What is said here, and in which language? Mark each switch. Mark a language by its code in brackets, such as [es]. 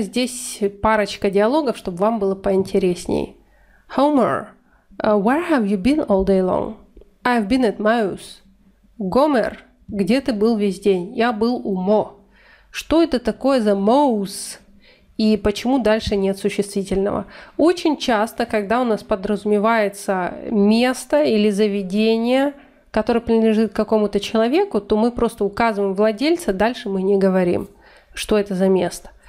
[ru] Здесь парочка диалогов, чтобы вам было поинтересней. [en] Homer, where have you been all day long? I've been at Maus. [ru] Гомер, где ты был весь день? Я был у Мо. Что это такое за Maus? И почему дальше нет существительного? Очень часто, когда у нас подразумевается место или заведение, которое принадлежит какому-то человеку, то мы просто указываем владельца, дальше мы не говорим, что это за место.